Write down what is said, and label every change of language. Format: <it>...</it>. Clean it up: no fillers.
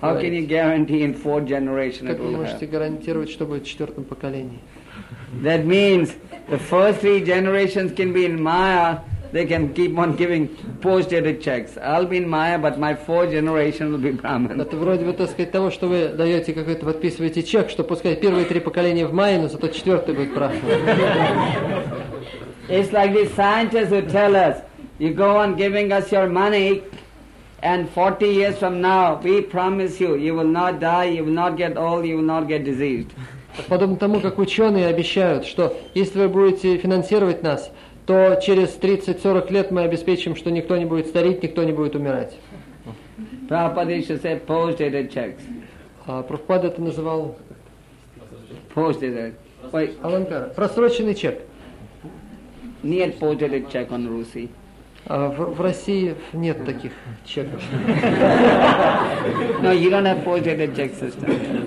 <en>How can you guarantee in fourth generation it will happen?</en> <ru>Как вы можете гарантировать, что будет в четвертом поколении?</ru> <en>That means the first three generations can be in Maya, they can keep on giving post-dated checks. I'll be in Maya, but my fourth generation will be Brahman.</en> <ru>Это вроде бы, так сказать, того, что вы даете какой-то, подписываете чек, что пускай первые три поколения в Майе, но зато четвертый будет Брахман.</ru> <en>It's like these scientists who tell us, you go on giving us your money, and 40 years from now, we promise you, you will not die, you will not get old, you will not get diseased.</en> <ru>Подобно тому, как ученые обещают, что если вы будете финансировать нас, то через 30-40 лет мы обеспечим, что никто не будет стареть, никто не будет умирать.</ru> <en>Prabhupada should say post-dated checks.</en> <ru>Прабхупада это называл...</ru> <en>Post-dated.</en> <ru>Аланкара. Просроченный чек.</ru> <en>Нет post-dated check on Russia.</en> <ru>В России нет таких чеков.</ru> <en>No, you don't have post-dated check system.</en>